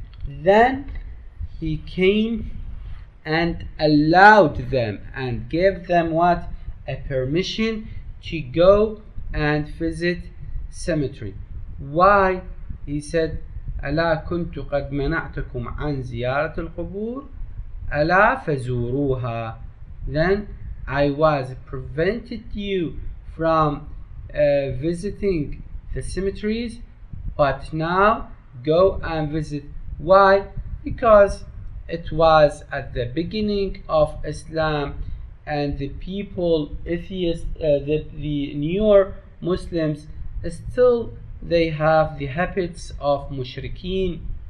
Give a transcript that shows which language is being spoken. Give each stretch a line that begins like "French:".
English: Then he came and allowed them and gave them what? A permission to go and visit cemetery. Why? He said,
Arabic: أَلَا كُنْتُ قَدْ مَنَعْتُكُمْ عَنْ زِيَارَةِ الْقُبُورِ أَلَا فَزُورُوهَا.
English: Then I was prevented you from visiting the cemeteries, but now go and visit. Why? Because it was at the beginning of Islam, and the people, atheists, the newer Muslims, still they have the habits of mushrikeen.